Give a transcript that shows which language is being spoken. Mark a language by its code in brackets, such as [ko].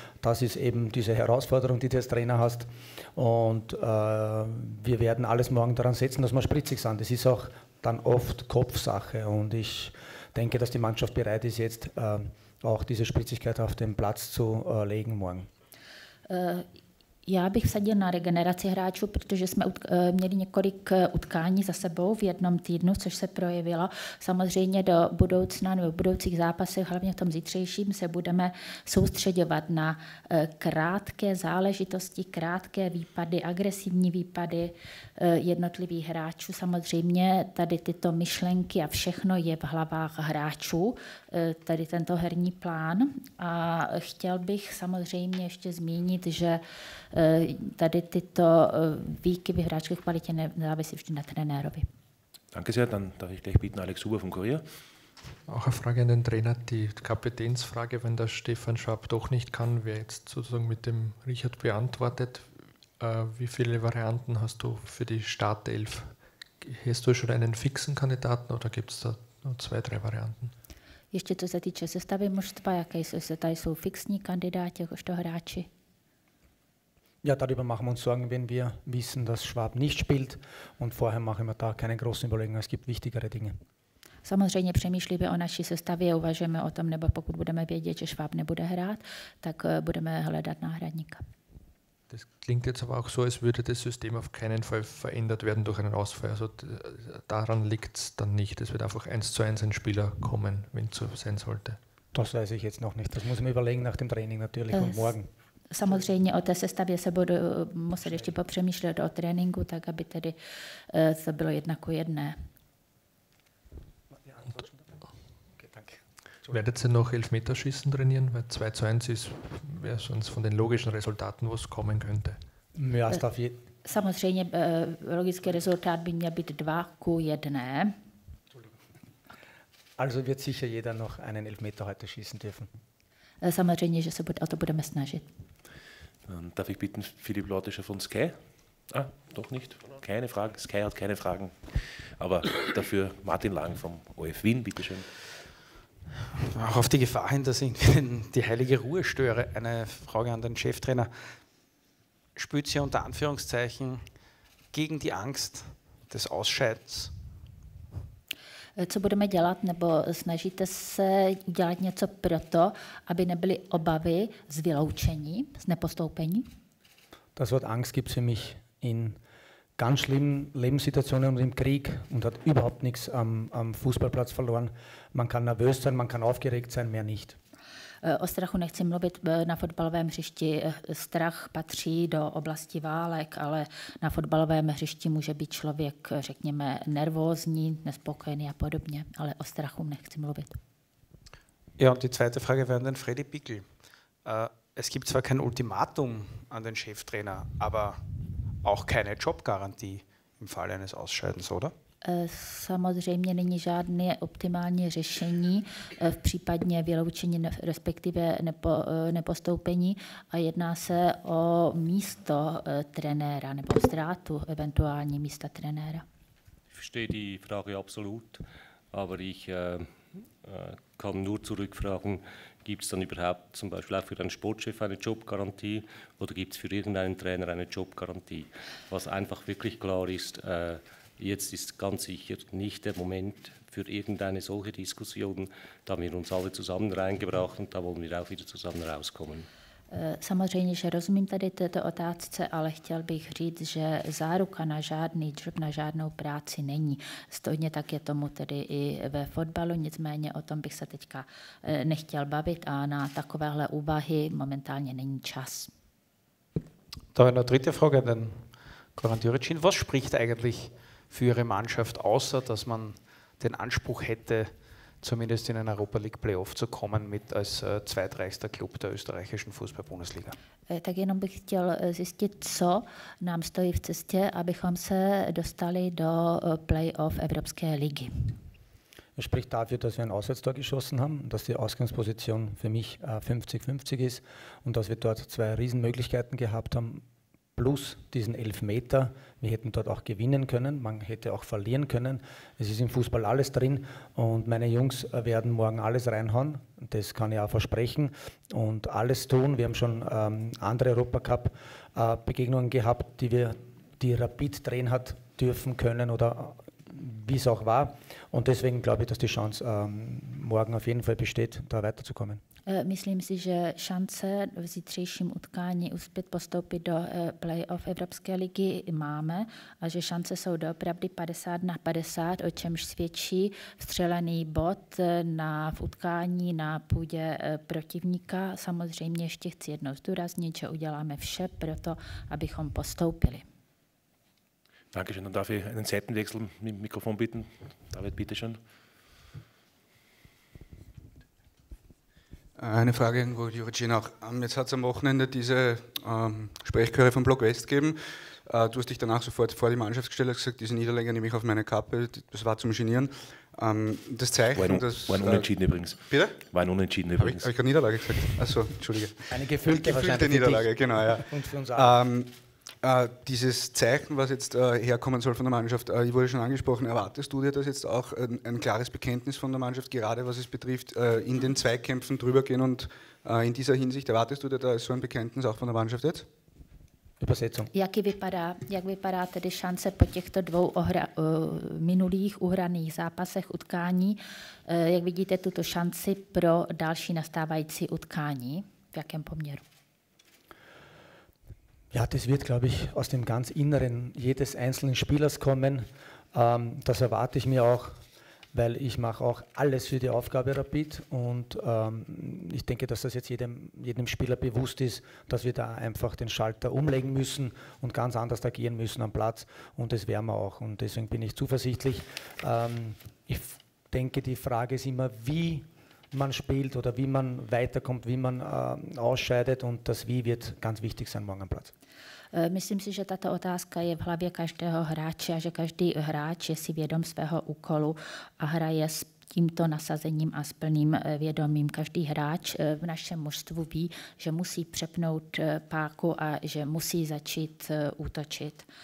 [de] Das ist eben diese Herausforderung, die du als Trainer hast. Und wir werden alles morgen daran setzen, dass wir spritzig sind. Das ist auch dann oft Kopfsache und ich denke, dass die Mannschaft bereit ist, jetzt auch diese Spritzigkeit auf den Platz zu legen morgen. [cs] Já bych vsadil na regeneraci hráčů, protože jsme měli několik utkání za sebou v jednom týdnu, což se projevilo. Samozřejmě do budoucna nebo v budoucích zápasech, hlavně v tom zítřejším, se budeme soustředovat na krátké záležitosti, krátké výpady, agresivní výpady jednotlivých hráčů. Samozřejmě tady tyto myšlenky a všechno je v hlavách hráčů, tady tento herní plán. A chtěl bych samozřejmě ještě zmínit, že tady tyto výkyvy hráčské kvalitě nezávisí vždy na trenérovi. [de] Danke sehr, dann darf ich gleich bitten Alex Huber vom Kurier. Auch eine Frage an den Trainer, die Kapitänsfrage, wenn der Stefan Schwab doch nicht kann, wer jetzt sozusagen mit dem Richard beantwortet, wie viele Varianten hast du für die Startelf? Hast du schon einen fixen Kandidaten oder gibt es da nur 2-3 Varianten? [cs] Ještě co se týče sestavy mužstva, jaké se tady jsou fixní kandidáti, jakožto hráči? [de] Ja, darüber machen wir uns Sorgen, wenn wir wissen, dass Schwab nicht spielt. Und vorher machen wir da keine großen Überlegungen. Es gibt wichtigere Dinge. [cs] Samozřejmě přemýšlíme o naší sestavě, uvažujeme o tom, nebo pokud budeme vědět, že Schwab nebude hrát, tak budeme hledat náhradníka. [de] Das klingt jetzt aber auch so, als würde das System auf keinen Fall verändert werden durch einen Ausfall. Also daran liegt es dann nicht. Es wird einfach 1-1 ein Spieler kommen, wenn es so sein sollte. Das weiß ich jetzt noch nicht. Das muss ich mir überlegen nach dem Training natürlich und morgen. [cs] Samozřejmě o té sestavě se budu muset ještě popřemýšlet o tréninku, tak aby tedy to bylo jedna ku jedné. [de] Werdet ihr noch Elfmeterschießen trainieren? Weil 2-1 ist, wäre sonst von den logischen Resultaten, was kommen könnte. Ja, es darf [cs] samozřejmě logický Resultat by měl být 2-1. [de] Also wird sicher jeder noch einen Elfmeter heute schießen dürfen. [cs] Samozřejmě, že se bude, o to budeme snažit. [de] Darf ich bitten, Philipp Lautischer von Sky? Ah, doch nicht. Keine Fragen. Sky hat keine Fragen. Aber dafür Martin Lang vom OF Wien, bitteschön. Auch auf die Gefahr hin, dass ich die heilige Ruhe störe. Eine Frage an den Cheftrainer. Spielt sie unter Anführungszeichen gegen die Angst des Ausscheids? [cs] Co budeme dělat, nebo snažíte se dělat něco pro to, aby nebyly obavy z vyloučení, z nepostoupení? [de] Das Wort Angst gibt es für mich in ganz schlimmen Lebenssituationen und im Krieg und hat überhaupt nichts am Fußballplatz verloren. Man kann nervös sein, man kann aufgeregt sein, mehr nicht. [cs] O strachu nechci mluvit na fotbalovém hřišti. Strach patří do oblasti válek, ale na fotbalovém hřišti může být člověk, řekněme, nervózní, nespokojený a podobně, ale o strachu nechci mluvit. [de] Ja, und die zweite Frage wäre an den Freddy Pickel. Es gibt zwar kein Ultimatum an den Cheftrainer, aber auch keine Jobgarantie. im Falle eines Ausscheidens, oder? [cs] Samozřejmě není žádné optimální řešení v případně vyloučení respektive nepostoupení a jedná se o místo trenéra nebo ztrátu eventuální místa trenéra. [de] Verstehe die Frage absolut, aber ich kann nur zurückfragen, gibt es dann überhaupt zum Beispiel auch für einen Sportchef eine Jobgarantie oder gibt es für irgendeinen Trainer eine Jobgarantie? Was einfach wirklich klar ist, jetzt ist ganz sicher nicht der Moment für irgendeine solche Diskussion, da haben wir uns alle zusammen reingebracht und da wollen wir auch wieder zusammen rauskommen. [cs] Samozřejmě, že rozumím tady této otázce, ale chtěl bych říct, že záruka na žádný job, na žádnou práci není. Stejně tak je tomu tedy i ve fotbalu, nicméně o tom bych se teďka nechtěl bavit a na takovéhle úvahy momentálně není čas. To je na [de] dritte Frage, den Goran Djuricin. Was spricht eigentlich für Ihre Mannschaft, außer dass man den Anspruch hätte, zumindest in ein Europa League Playoff zu kommen mit als zweitreichster Club der österreichischen Fußball-Bundesliga. [cs] Tak jenom bych chtěl zjistit, co nám stojí v cestě, abychom se dostali do Playoff Evropské ligy. [de] Er spricht dafür, dass wir ein Auswärtstor geschossen haben, dass die Ausgangsposition für mich 50-50 ist und dass wir dort zwei Riesenmöglichkeiten gehabt haben, plus diesen Elfmeter. Wir hätten dort auch gewinnen können, man hätte auch verlieren können. Es ist im Fußball alles drin und meine Jungs werden morgen alles reinhauen, das kann ich auch versprechen, und alles tun. Wir haben schon andere Europacup-Begegnungen gehabt, die Rapid drehen hat dürfen können oder wie es auch war. Und deswegen glaube ich, dass die Chance morgen auf jeden Fall besteht, da weiterzukommen. [cs] Myslím si, že šance v zítřejším utkání uspět postoupit do playoff Evropské ligy máme a že šance jsou doopravdy 50-50, o čemž svědčí vstřelený bod v utkání na půdě protivníka. Samozřejmě ještě chci jednou zdůraznit, že uděláme vše pro to, abychom postoupili. [de] Dankeschön. Dann darf ich einen Seitenwechsel mit dem Mikrofon bitten. David, bitteschön. Eine Frage an Goran Djuricin auch. Jetzt hat es am Wochenende diese Sprechchöre von Block West gegeben. Du hast dich danach sofort vor die Mannschaft gestellt und gesagt, diese Niederlage nehme ich auf meine Kappe. Das war zum Genieren. Das Zeichen, war ein Unentschieden übrigens. Bitte? War ein Unentschieden übrigens. Habe ich gerade Niederlage gesagt? Achso, entschuldige. Eine gefühlte Niederlage, genau, ja. Und für uns auch. Dieses Zeichen, was jetzt herkommen soll von der Mannschaft, ich wurde schon angesprochen, erwartest du dir das jetzt auch, ein klares Bekenntnis von der Mannschaft, gerade was es betrifft, in den Zweikämpfen drüber gehen und in dieser Hinsicht, erwartest du dir da so ein Bekenntnis auch von der Mannschaft jetzt? Übersetzung. [cs] Jak vypadá tedy šance po těchto dvou minulých uhraných zápasech utkání? Jak vidíte tuto šanci pro další nastávající utkání? V jakém poměru? [de] Ja, das wird, glaube ich, aus dem ganz Inneren jedes einzelnen Spielers kommen. Das erwarte ich mir auch, weil ich mache auch alles für die Aufgabe Rapid. Und ich denke, dass das jetzt jedem Spieler bewusst ist, dass wir da einfach den Schalter umlegen müssen und ganz anders agieren müssen am Platz. Und das werden wir auch. Und deswegen bin ich zuversichtlich. Ich denke, die Frage ist immer, wie man spielt oder wie man weiterkommt, wie man ausscheidet, und das Wie wird ganz wichtig sein morgen am Platz. [cs] Myslím si, že tato otázka je v hlavě každého hráče a že každý hráč je si vědom svého úkolu a hraje s tímto nasazením a s plným vědomím. Každý hráč v našem mužstvu ví, že musí přepnout páku a že musí začít útočit.